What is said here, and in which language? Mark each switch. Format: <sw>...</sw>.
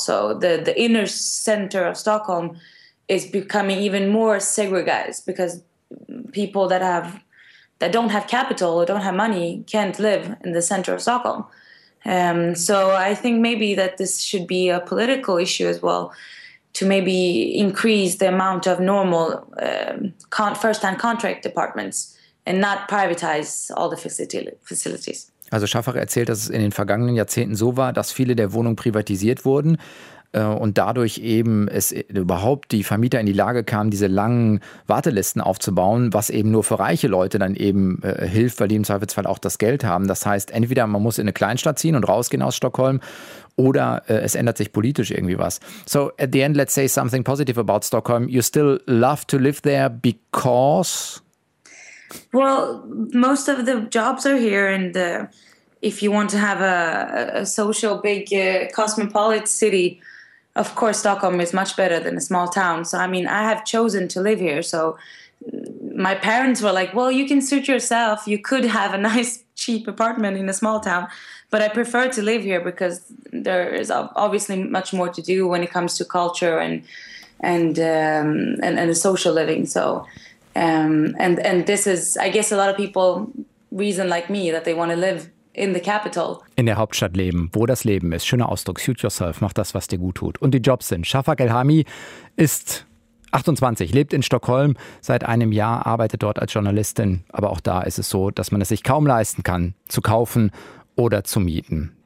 <en>So the inner center of Stockholm is becoming even more segregated because people that don't have capital or don't have money can't live in the center of Stockholm. So I think maybe that this should be a political issue as well, to maybe increase the amount of normal first-hand contract apartments and not privatize all the facilities.</en> <de>Also Schaffach erzählt, dass es in den vergangenen Jahrzehnten so war, dass viele der Wohnungen privatisiert wurden. Und dadurch eben es überhaupt die Vermieter in die Lage kamen, diese langen Wartelisten aufzubauen, was eben nur für reiche Leute dann eben hilft, weil die im Zweifelsfall auch das Geld haben. Das heißt, entweder man muss in eine Kleinstadt ziehen und rausgehen aus Stockholm, oder es ändert sich politisch irgendwie was.</de> <en>So at the end, let's say something positive about Stockholm. You still love to live there because? Well, most of the jobs are here and if you want to have a social, big, cosmopolitan city, of course, Stockholm is much better than a small town. So, I mean, I have chosen to live here. So my parents were like, well, you can suit yourself. You could have a nice, cheap apartment in a small town. But I prefer to live here because there is obviously much more to do when it comes to culture and the social living. So, and this is, I guess, a lot of people reason like me that they want to live in the capital.</en> <de>In der Hauptstadt leben, wo das Leben ist. Schöner Ausdruck,</de> <en>suit yourself,</en> <de>mach das, was dir gut tut. Und die Jobs sind. Schaffach Elhami ist 28, lebt in Stockholm seit einem Jahr, arbeitet dort als Journalistin. Aber auch da ist es so, dass man es sich kaum leisten kann, zu kaufen oder zu mieten.</de>